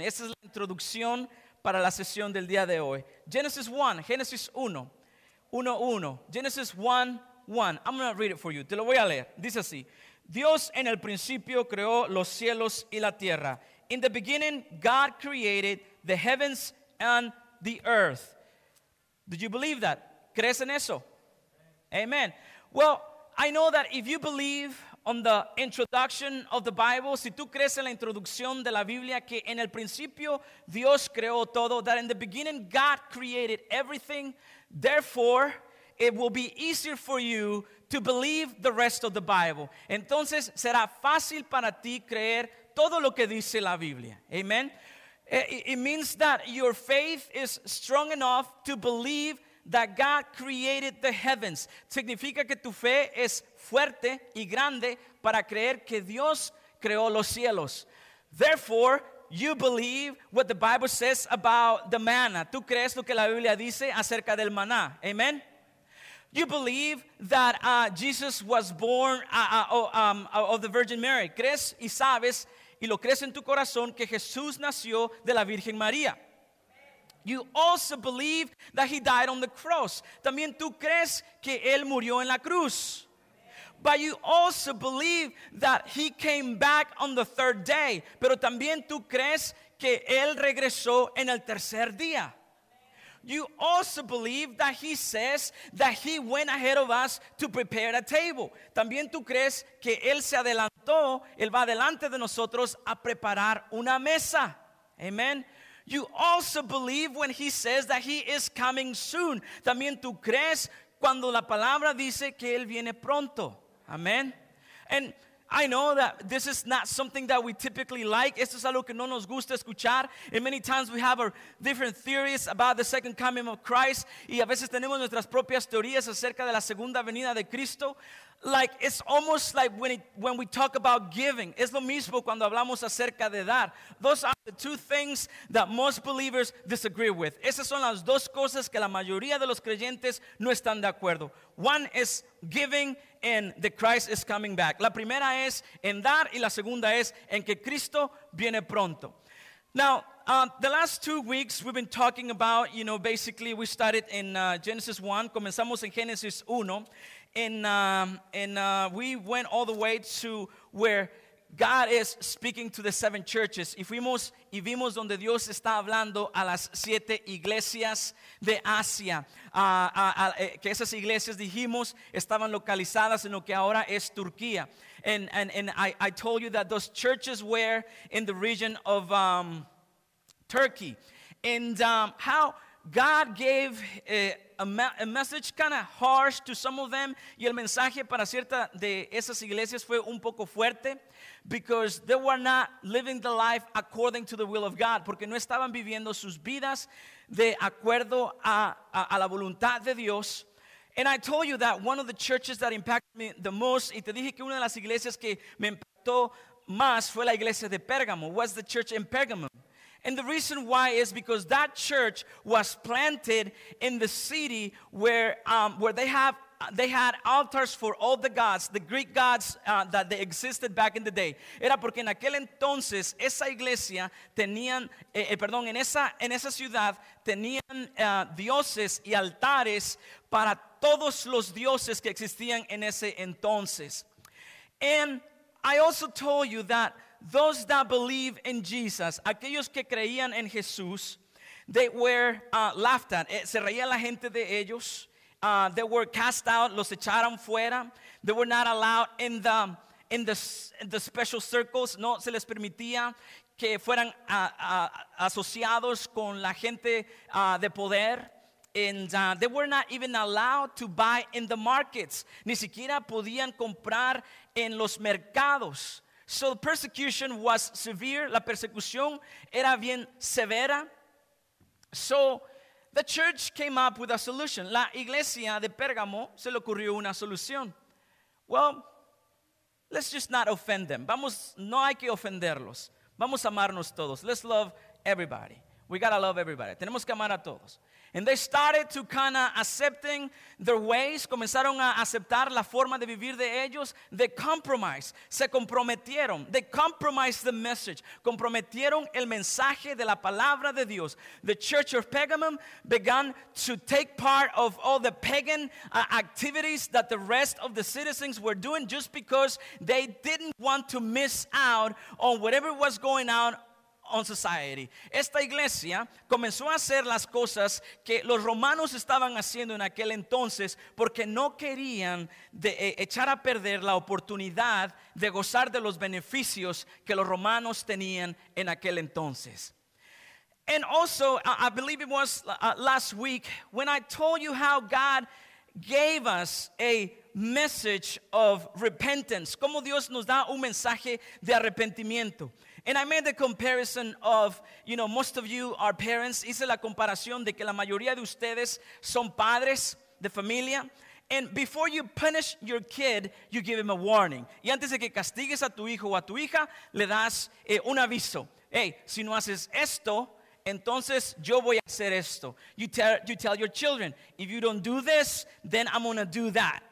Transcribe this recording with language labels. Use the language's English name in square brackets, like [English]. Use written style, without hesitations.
[Spanish] Esta es la introducción para la sesión del día de hoy. [English] Genesis 1, Génesis 1, 1, 1, Genesis 1, 1. I'm going to read it for you. [Spanish] Te lo voy a leer. Dice así. Dios en el principio creó los cielos y la tierra. [English] In the beginning, God created the heavens and the earth. Did you believe that? [Spanish] ¿Crees en eso? [English] Amen. Well, I know that if you believe on the introduction of the Bible, [Spanish] si tú crees en la introducción de la Biblia, que en el principio Dios creó todo, [English] that in the beginning God created everything, therefore it will be easier for you to believe the rest of the Bible. [Spanish] Entonces, será fácil para ti creer todo lo que dice la Biblia. [English] Amen. It means that your faith is strong enough to believe that God created the heavens. [Spanish] Significa que tu fe es fuerte y grande para creer que Dios creó los cielos. [English] Therefore, you believe what the Bible says about the manna. [Spanish] Tú crees lo que la Biblia dice acerca del maná. [English] Amen. You believe that Jesus was born of the Virgin Mary. [Spanish] Crees y sabes, y lo crees en tu corazón, que Jesús nació de la Virgen María. [English] You also believe that he died on the cross. [Spanish] También tú crees que él murió en la cruz. [English] But you also believe that he came back on the third day. [Spanish] Pero también tú crees que él regresó en el tercer día. [English] You also believe that he says that he went ahead of us to prepare a table. [Spanish] También tú crees que él se adelantó, él va delante de nosotros a preparar una mesa. [English] Amen. You also believe when he says that he is coming soon. [Spanish] También tú crees cuando la palabra dice que él viene pronto. [English] Amen. And I know that this is not something that we typically like. [Spanish] Esto es algo que no nos gusta escuchar. [English] And many times we have our different theories about the second coming of Christ. [Spanish] Y a veces tenemos nuestras propias teorías acerca de la segunda venida de Cristo. [English] Like, it's almost like when we talk about giving. [Spanish] Es lo mismo cuando hablamos acerca de dar. [English] Those are the two things that most believers disagree with. [Spanish] Esas son las dos cosas que la mayoría de los creyentes no están de acuerdo. [English] One is giving and the Christ is coming back. [Spanish] La primera es en dar y la segunda es en que Cristo viene pronto. [English] Now, The last 2 weeks we've been talking about, you know, basically we started in Genesis 1, [Spanish] comenzamos en Genesis 1, [English] and we went all the way to where God is speaking to the seven churches. [Spanish] Y fuimos y vimos donde Dios está hablando a las siete iglesias de Asia. Que esas iglesias, dijimos, estaban localizadas en lo que ahora es Turquía. [English] And I told you that those churches were in the region of Turkey. And how God gave a message kind of harsh to some of them. [Spanish] Y el mensaje para cierta de esas iglesias fue un poco fuerte. [English] Because they were not living the life according to the will of God. [Spanish] Porque no estaban viviendo sus vidas de acuerdo a la voluntad de Dios. [English] And I told you that one of the churches that impacted me the most. [Spanish] Y te dije que una de las iglesias que me impactó más fue la iglesia de Pérgamo. [English] Was the church in Pergamum. And the reason why is because that church was planted in the city where they had altars for all the gods, the Greek gods that they existed back in the day. [Spanish] Era porque en aquel entonces esa iglesia tenían, en esa ciudad tenían dioses y altares para todos los dioses que existían en ese entonces. [English] And I also told you that those that believe in Jesus, [Spanish] aquellos que creían en Jesús, [English] they were laughed at. [Spanish] Se reía la gente de ellos. [English] They were cast out. [Spanish] Los echaron fuera. [English] They were not allowed in the special circles. [Spanish] No se les permitía que fueran asociados con la gente de poder. [English] And they were not even allowed to buy in the markets. [Spanish] Ni siquiera podían comprar en los mercados. [English] So the persecution was severe. [Spanish] La persecución era bien severa. [English] So the church came up with a solution. [Spanish] La iglesia de Pérgamo se le ocurrió una solución. [English] Well, let's just not offend them. [Spanish] Vamos, no hay que ofenderlos. Vamos a amarnos todos. [English] Let's love everybody. We gotta love everybody. [Spanish] Tenemos que amar a todos. [English] And they started to kind of accepting their ways. [Spanish] Comenzaron a aceptar la forma de vivir de ellos. [English] They compromised. [Spanish] Se comprometieron. [English] They compromised the message. [Spanish] Comprometieron el mensaje de la palabra de Dios. [English] The church of Pergamum began to take part of all the pagan activities that the rest of the citizens were doing just because they didn't want to miss out on whatever was going on society. [Spanish] Esta iglesia comenzó a hacer las cosas que los romanos estaban haciendo en aquel entonces porque no querían de echar a perder la oportunidad de gozar de los beneficios que los romanos tenían en aquel entonces. [English] And also, I believe it was last week when I told you how God gave us a message of repentance. [Spanish] Como Dios nos da un mensaje de arrepentimiento. [English] And I made the comparison of, you know, most of you are parents. [Spanish] Hice la comparación de que la mayoría de ustedes son padres de familia. [English] And before you punish your kid, you give him a warning. [Spanish] Y antes de que castigues a tu hijo o a tu hija, le das un aviso. Hey, si no haces esto, entonces yo voy a hacer esto. [English] You tell your children, if you don't do this, then I'm going to do that.